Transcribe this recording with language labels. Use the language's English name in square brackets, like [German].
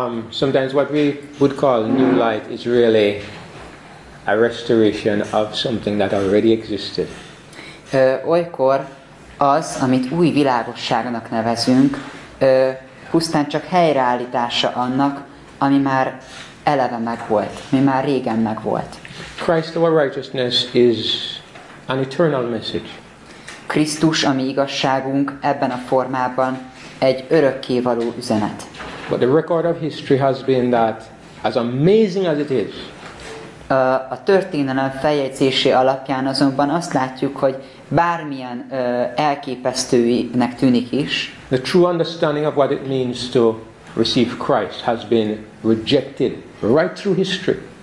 [English] Sometimes what we would call new light is really a restoration of something that already existed. [Hungarian] Olykor az, amit új világosságnak nevezünk, pusztán csak helyreállítása annak, ami már eleve megvolt, ami már régen megvolt. [English] Christ, our righteousness is an eternal message. [Hungarian] Krisztus, ami igazságunk, ebben a formában egy örökkévaló üzenet. [English] But the record of history has been that, as amazing as it is, [Hungarian] a történelem feljegyzése alapján azonban azt látjuk, hogy bármilyen elképesztőnek tűnik is, [English] the true understanding of what it means to receive Christ has been rejected right through history.